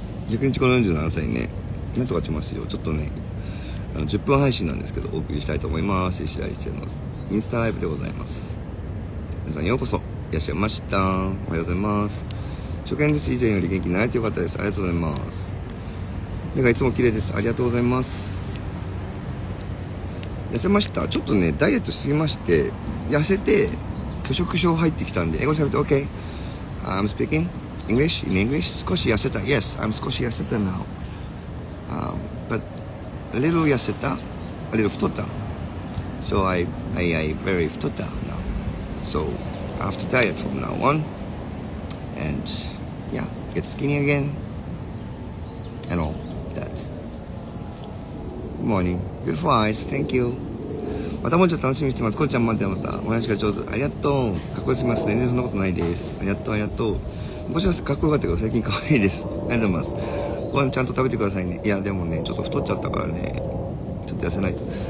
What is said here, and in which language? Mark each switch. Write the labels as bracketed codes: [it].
[ja] 逆にチコの47歳ね、なんとかしますよ。ちょっとね、10分配信なんですけどお送りしたいと思います。石田一生のインスタライブでございます。皆さんようこそいらっしゃいました、おはようございます。初見です、以前より元気になれてよかったです、ありがとうございます。目がいつも綺麗です、ありがとうございます。痩せました、ちょっとねダイエットしすぎまして、痩せて拒食症入ってきたんで、英語喋って [en] OK、 I'm speaking English in English、 [ja] 少し痩せた、 [en] Yes, I'm [ja] 少し痩せた [en] now、 but a little [ja] 痩せた、 [en] a little [ja] 太った、 [en] so I very [ja] 太った [en] now、 so I have to diet from now on and yeah, get skinny again and all that。 Good morning. Beautiful eyes. Thank you. [ja] またもんじゃ楽しみにしてます。こーちゃん待ってまた。お話が上手。ありがとう。かっこよすぎますね。全然そんなことないです。ありがとう、ありがとう。もしかしてかっこよかったけど、最近かわいいです。ありがとうございます。ご飯ちゃんと食べてくださいね。いや、でもね、ちょっと太っちゃったからね。ちょっと痩せないと。